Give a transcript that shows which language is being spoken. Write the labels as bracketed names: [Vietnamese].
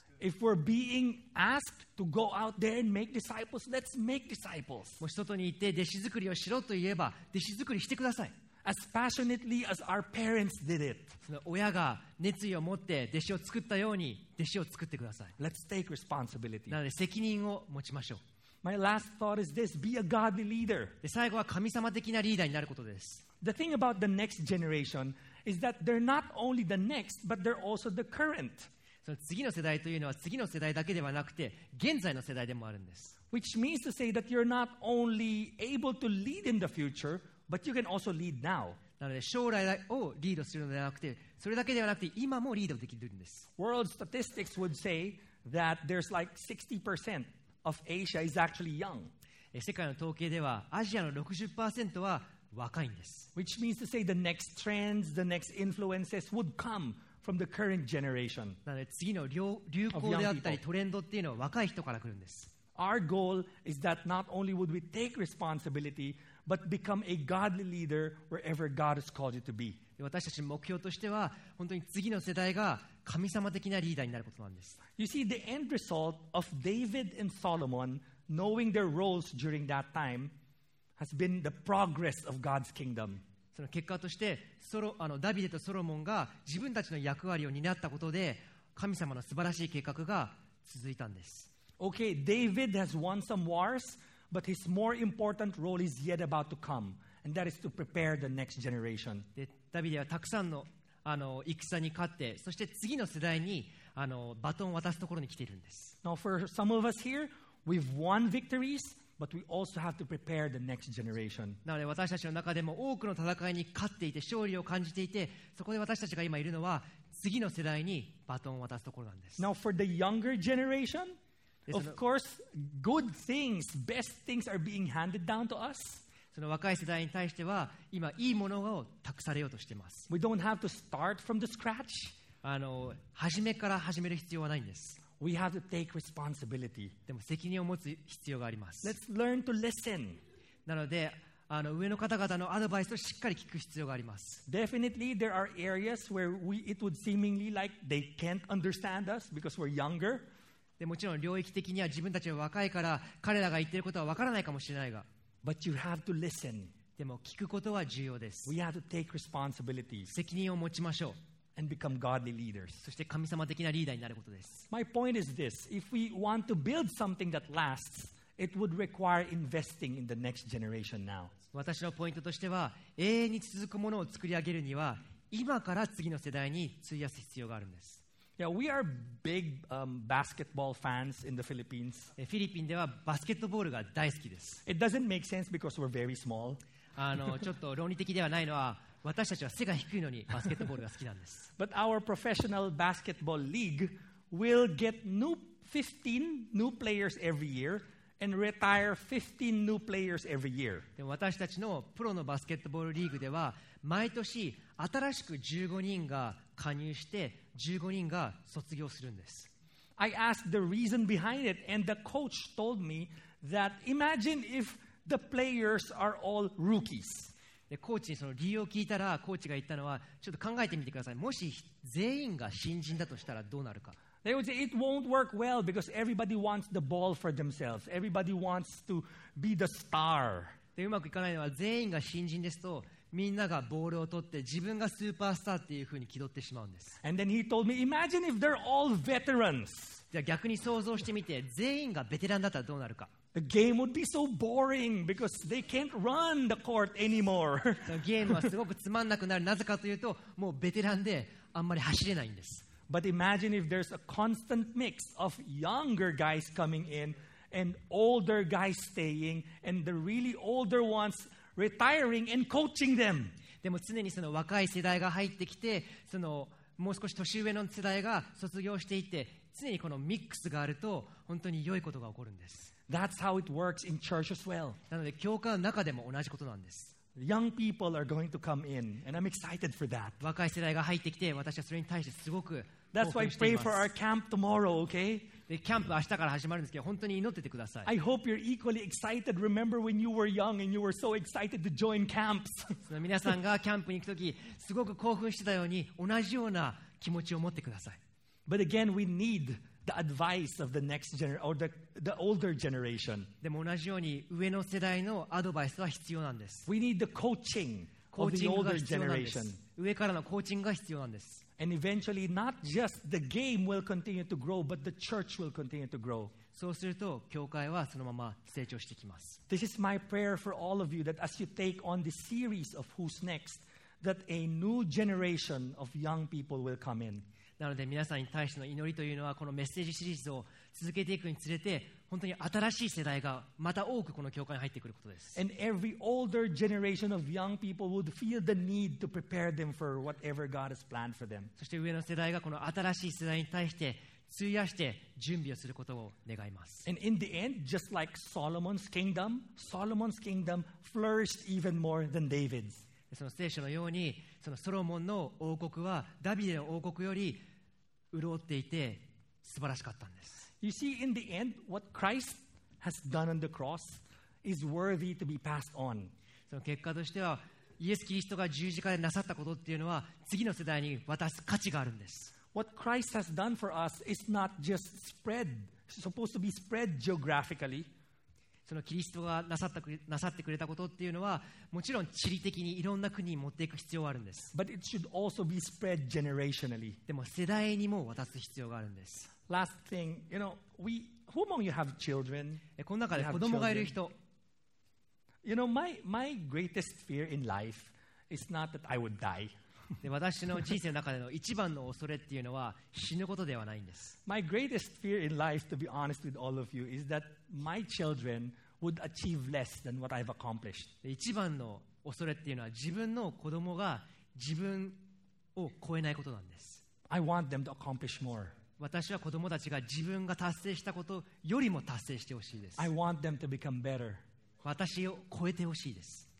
[English] If we're being asked to go out there and make disciples, let's make disciples. [Japanese] もし外に行って弟子作りをしろと言えば、弟子作りしてください。 [English] As passionately as our parents did it. [Japanese] 親が熱意を持って弟子を作ったように弟子を作ってください。 [English] Let's take responsibility. [Japanese] なので責任を持ちましょう。 [English] My last thought is this: be a godly leader. [Japanese] で最後は神様的なリーダーになることです。 [English] The thing about the next generation. Is that they're not only the next, but they're also the current. [Japanese] その次の世代というのは次の世代だけではなくて現在の世代でもあるんです。 [English] Which means to say that you're not only able to lead in the future, but you can also lead now. [Japanese] なので将来をリードするのではなくて、それだけではなくて今もリードできるんです。 [English] World statistics would say that there's like 60% of Asia is actually young. [Japanese] 世界の統計ではアジアの 60% は若いんです。 [English] Which means to say the next trends, the next influences would come from the current generation. [Japanese] なので次の流行であったりトレンドっていうのは若い人から来るんです。 [English] Our goal is that not only would we take responsibility, but become a godly leader wherever God has called you to be. [Japanese] 私たちの目標としては本当に次の世代が神様的なリーダーになることなんです。 [English] You see, the end result of David and Solomon knowing their roles during that time. Has been the progress of God's kingdom. [Japanese] その結果として、ダビデとソロモンが自分たちの役割を担ったことで、神様の素晴らしい計画が続いたんです。 [English] Okay, David has won some wars, but his more important role is yet about to come, and that is to prepare the next generation. [Japanese] で、ダビデはたくさんの、戦に勝って、そして次の世代に、バトンを渡すところに来ているんです。 [English] Now, for some of us here, we've won victories. But we also have to prepare the next generation. [Japanese] なので私たちの中でも多くの戦いに勝っていて勝利を感じていて、そこで私たちが今いるのは次の世代にバトンを渡すところなんです。 [English] Now for the younger generation, of course, good things, best things are being handed down to us. [Japanese] その若い世代に対しては今いいものを託されようとしています。 [English] We don't have to start from the scratch. [Japanese] 初めから始める必要はないんです。 [English] We have to take responsibility. [Japanese] でも責任を持つ必要があります。 [English] Let's learn to listen. [Japanese] なので、上の方々のアドバイスをしっかり聞く必要があります。 [English] Definitely, there are areas where it would seemingly like they can't understand us because we're younger. [Japanese] でもちろん領域的には自分たちは若いから彼らが言ってることはわからないかもしれないが。 [English] But you have to listen. [Japanese] でも聞くことは重要です。 [English] We have to take responsibility. [Japanese] 責任を持ちましょう。 [English] And become godly leaders. [Japanese] そして神様的なリーダーになることです。 [English] My point is this: if we want to build something that lasts, it would require investing in the next generation now. [Japanese] 私のポイントとしては、永遠に続くものを作り上げるには、今から次の世代に費やす必要があるんです。 [English] Yeah, we are big, basketball fans in the Philippines. [Japanese] フィリピンではバスケットボールが大好きです。 [English] It doesn't make sense because we're very small. [Japanese] ちょっと論理的ではないのは。私たちは背が低いのにバスケットボールが好きなんです。 [English] But our professional basketball league will get new 15 new players every year and retire 15 new players every year. [Japanese] でも私たちのプロのバスケットボールリーグでは毎年新しく15人が加入して15人が卒業するんです。 [English] I asked the reason behind it and the coach told me that imagine if the players are all rookies. [Japanese] でコーチにその理由を聞いたらコーチが言ったのはちょっと考えてみてくださいもし全員が新人だとしたらどうなるか [English] They would say it won't work well because everybody wants the ball for themselves everybody wants to be the star [Japanese] でうまくいかないのは全員が新人ですとみんながボールを取って自分がスーパースターっていう風に気取ってしまうんです [English] And then he told me imagine if they're all veterans [Japanese] じゃあ逆に想像してみて全員がベテランだったらどうなるか [English] The game would be so boring because they can't run the court anymore. [Japanese] ゲームはすごくつまんなくなる。なぜかというと、もうベテランであんまり走れないんです。 [English] But imagine if there's a constant mix of younger guys coming in and older guys staying and the really older ones retiring and coaching them. [Japanese] でも常にその若い世代が入ってきて、そのもう少し年上の世代が卒業していて、常にこのミックスがあると本当に良いことが起こるんです。 [English] That's how it works in church as well. [Japanese] なので教会の中でも同じことなんです。 [English] Young people are going to come in, and I'm excited for that. [Japanese] 若い世代が入ってきて、私はそれに対してすごく興奮しています。 [English] That's why I pray for our camp tomorrow, okay? [Japanese] で、キャンプ明日から始まるんですけど、本当に祈っててください。 [English] I hope you're equally excited. Remember when you were young and you were so excited to join camps. [Japanese] 皆さんがキャンプに行くとき、すごく興奮してたように、同じような気持ちを持ってください。 [English] But again, we need the advice of the next generation or the older generation. [Japanese] でも同じように上の世代のアドバイスは必要なんです。 [English] We need the coaching of the older generation. [Japanese] 上からのコーチングが必要なんです。 [English] And eventually, not just the game will continue to grow, but the church will continue to grow. [Japanese] そうすると教会はそのまま成長してきます。 [English] This is my prayer for all of you that as you take on this series of Who's Next, that a new generation of young people will come in. [Japanese] なので皆さんに対しての祈りというのは、このメッセージシリーズを続けていくにつれて、本当に新しい世代がまた多くこの教会に入ってくることです。 [English] And every older generation of young people would feel the need to prepare them for whatever God has planned for them. [Japanese] そして上の世代がこの新しい世代に対して費やして準備をすることを願います。 [English] And in the end, just like Solomon's kingdom flourished even more than David's. [Japanese] その聖書のようにそのソロモンの王国はダビデの王国より潤っていて素晴らしかったんです。 [English] You see, in the end, what Christ has done on the cross is worthy to be passed on. [Japanese] その結果としてはイエス・キリストが十字架でなさったことっていうのは次の世代に渡す価値があるんです。 [English] What Christ has done for us is not just supposed to be spread geographically. [Japanese] そのキリストがなさってくれたことっていうのは、もちろん地理的にいろんな国に持っていく必要があるんです。 [English] But it should also be spread generationally. [Japanese] でも世代にも渡す必要があるんです。 [English] Last thing, you know, who among you have children? [Japanese] この中で子供がいる人。 [English] You know, my greatest fear in life is not that I would die. [Japanese] で私の人生の中での一番の恐れっていうのは死ぬことではないんです。 [English] My greatest fear in life, to be honest with all of you, is that my children would achieve less than what I've accomplished. [Japanese] 一番の恐れっていうのは自分の子供が自分を超えないことなんです。 [English] I want them to accomplish more. [Japanese] 私は子供たちが自分が達成したことよりも達成してほしいです。 [English] I want them to become better. [Japanese] 私を超えてほしいです。